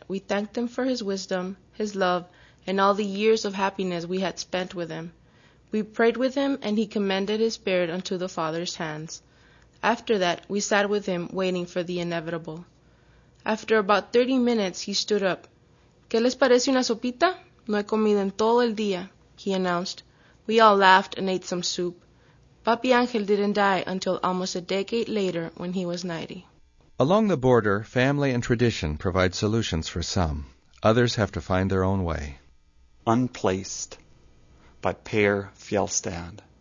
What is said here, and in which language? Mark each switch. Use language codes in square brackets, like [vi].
[en] We thanked him for his wisdom, his love, and all the years of happiness we had spent with him. We prayed with him, and he commended his spirit unto the Father's hands. After that, we sat with him, waiting for the inevitable. After about 30 minutes, he stood up. [es] ¿Qué les parece una sopita? No he comido en todo el día, [en] he announced. We all laughed and ate some soup. Papi Angel didn't die until almost a decade later, when he was 90. Along the border, family and tradition provide solutions for some. Others have to find their own way. Unplaced by Per Fjellstad.